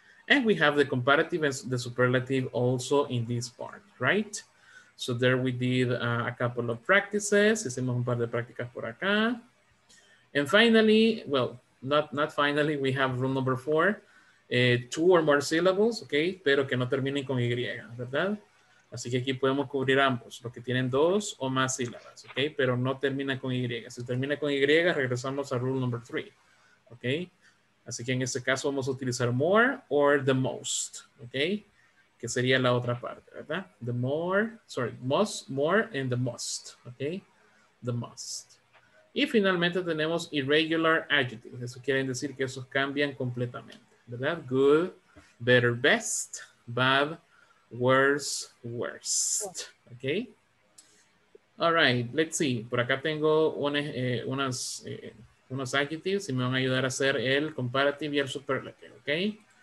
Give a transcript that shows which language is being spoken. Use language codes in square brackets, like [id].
[en] And we have the comparative and the superlative also in this part, right? So there we did a couple of practices. [es] Hicimos un par de prácticas por acá. [en] And finally, well, not finally, we have rule number 4. Two or more syllables, okay? [es] Pero que no terminen con Y, ¿verdad? Así que aquí podemos cubrir ambos, los que tienen dos o más sílabas, okay? Pero no termina con Y. Si termina con Y, regresamos a rule number 3. Ok, así que en este caso vamos a utilizar more or the most, ok, que sería la otra parte, ¿verdad? [en] The more, sorry, most, more and the most, ok, the most. [es] Y finalmente tenemos irregular adjectives, eso quiere decir que esos cambian completamente, ¿verdad? [en] Good, better, best, bad, worse, worst, ok. All right, let's see, [es] por acá tengo unos adjectives y me van a ayudar a hacer el comparative y el superlative, ¿ok?